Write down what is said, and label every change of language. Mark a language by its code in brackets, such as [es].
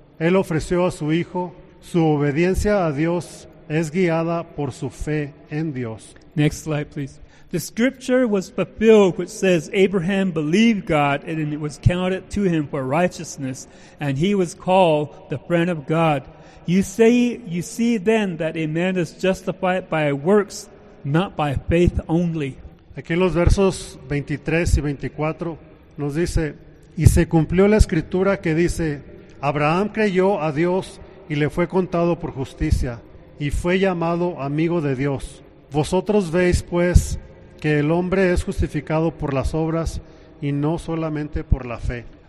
[es] Él ofreció a su hijo, su obediencia a Dios es guiada por su fe en Dios. [en] Next slide, please. The scripture was fulfilled which says Abraham believed God and it was counted to him for righteousness, and he was called the friend of God. You see then that a man is justified by works, not by faith only. [es] Aquí en los versos 23 y 24 nos dice, y se cumplió la escritura que dice, Abraham creyó a Dios y le fue contado por justicia, y fue llamado amigo de Dios. Vosotros veis, pues, que el hombre es justificado por las obras y no solamente por la fe.